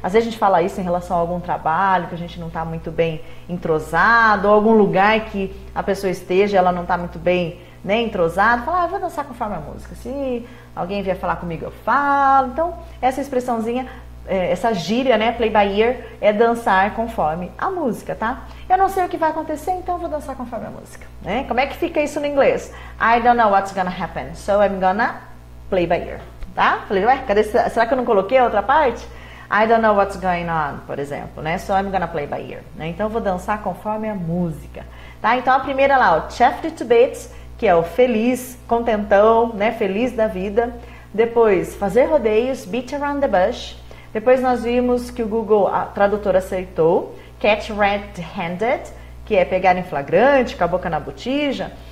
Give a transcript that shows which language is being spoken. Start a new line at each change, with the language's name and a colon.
Portuguese: Às vezes a gente fala isso em relação a algum trabalho que a gente não está muito bem entrosado, ou algum lugar que a pessoa esteja, ela não está muito bem, né, entrosada. Fala, ah, eu vou dançar conforme a música. Se alguém vier falar comigo, eu falo. Então, essa expressãozinha, essa gíria, né,
English: play by ear,
Portuguese: é dançar conforme a música, tá? Eu não sei o que vai acontecer, então vou dançar conforme a música, né? Como é que fica isso no inglês?
English: I don't know what's gonna happen, so I'm gonna play by ear, tá?
Portuguese: Falei, ué, será que eu não coloquei a outra parte?
English: I don't know what's going on,
Portuguese: por exemplo,
English: né? So I'm gonna play by ear,
Portuguese: né? Então vou dançar conforme a música, tá? Então a primeira lá, o
English: chuffed to bits,
Portuguese: que é o feliz, contentão, né? Feliz da vida. Depois, fazer rodeios,
English: beat around the bush.
Portuguese: Depois nós vimos que o Google, a tradutora, aceitou.
English: Catch red-handed,
Portuguese: que é pegar em flagrante, com a boca na botija.